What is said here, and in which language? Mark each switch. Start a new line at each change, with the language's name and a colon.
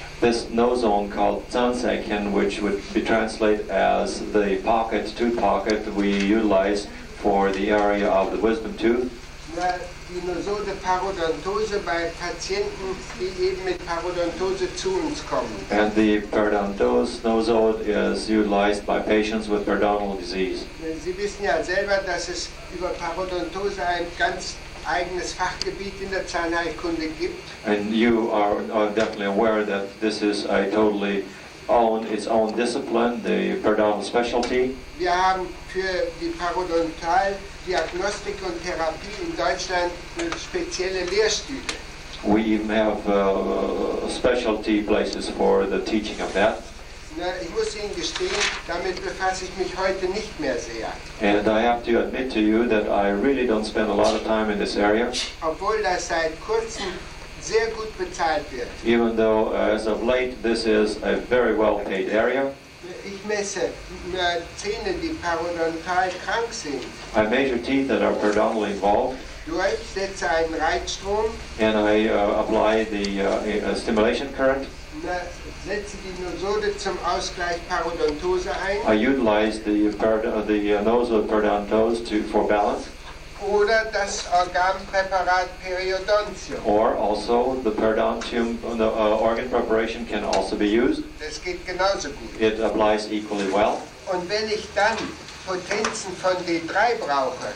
English: This nosone called Zahnsäckchen, which would be translated as the pocket, tooth pocket, we utilize for the area of the wisdom tooth.
German: Die Nosode Parodontose bei Patienten, die eben mit Parodontose zu uns kommen.
English: And the periodontose nosode is utilized by patients with periodontal disease.
German: Sie wissen ja selber, dass es über Parodontose ein ganz eigenes Fachgebiet in der Zahnheilkunde gibt.
English: And you are definitely aware that this is a totally own its own discipline, the periodontal specialty.
German: Wir haben für die Parodontaldiagnostik und Therapie in Deutschland spezielle Lehrstühle.
English: We even have specialty places for the teaching of that.
German: Na, ich muss Ihnen gestehen, damit befasse ich mich heute nicht mehr sehr.
English: And I have to admit to you that I really don't spend a lot of time in this area.
German: Obwohl das seit kurzem sehr gut bezahlt wird.
English: Even though as of late this is a very well paid area.
German: Ich messe Zähne, die periodontal krank sind.
English: I measure teeth that are periodontally involved.
German: Ich setze einen Reizstrom.
English: And I apply the stimulation current.
German: Setze die Nosode zum Ausgleich Parodontose ein.
English: I utilize the nose of periodontose for balance.
German: Oder das Organpräparat Periodontium.
English: Or also the periodontium, the organ preparation can also be used.
German: Das geht genauso gut.
English: It applies equally well.
German: Und wenn ich dann Potenzen von D3 brauche.